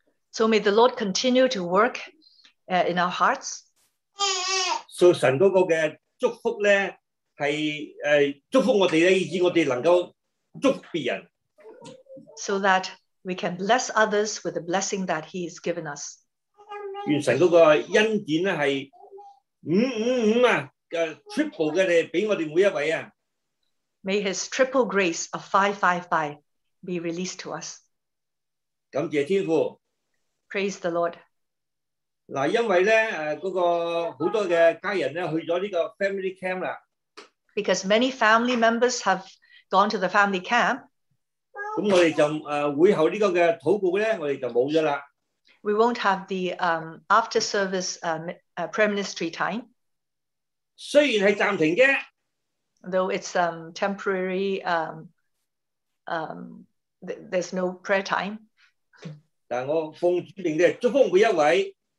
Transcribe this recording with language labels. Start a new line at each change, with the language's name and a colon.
English: So may the Lord continue to work in our hearts.
Chinese: So 神那个的祝福呢, 是, 祝福我们呢, 以致我们能够祝福别人,
English: so that we can bless others with the blessing that He has given us.
Chinese: 愿神那个恩典呢, 是, 五五五啊, 啊,
English: may His triple grace of 555 be released to us.
Chinese: 感谢天父,
English: praise the Lord.
Chinese: 因为呢,那个很多的家人呢,去了这个 family camp 啦,
English: because many family members have gone to the family camp,
Chinese: 那我们就,会后这个祷告呢,
English: we won't have the after service prayer ministry time.
Chinese: 虽然是暂停的,
English: though it's temporary, there's no prayer time.
Chinese: 但我奉主名的祝福每一位,